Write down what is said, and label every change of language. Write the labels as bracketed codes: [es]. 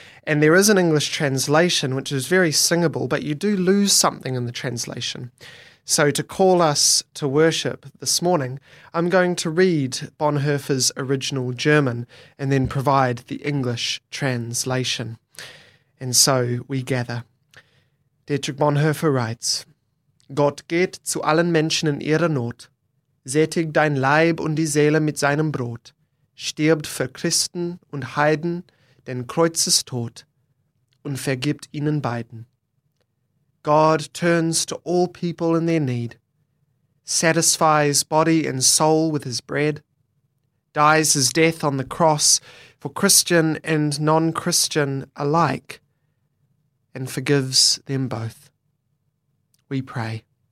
[en] And there is an English translation which is very singable, but you do lose something in the translation. So to call us to worship this morning, I'm going to read Bonhoeffer's original German and then provide the English translation. And so we gather. Dietrich Bonhoeffer writes, [de] Gott geht zu allen Menschen in ihrer Not, sättigt dein Leib und die Seele mit seinem Brot, stirbt für Christen und Heiden den Kreuzestod und vergibt ihnen beiden. [en] God turns to all people in their need, satisfies body and soul with his bread, dies his death on the cross for Christian and non-Christian alike, and forgives them both. We pray.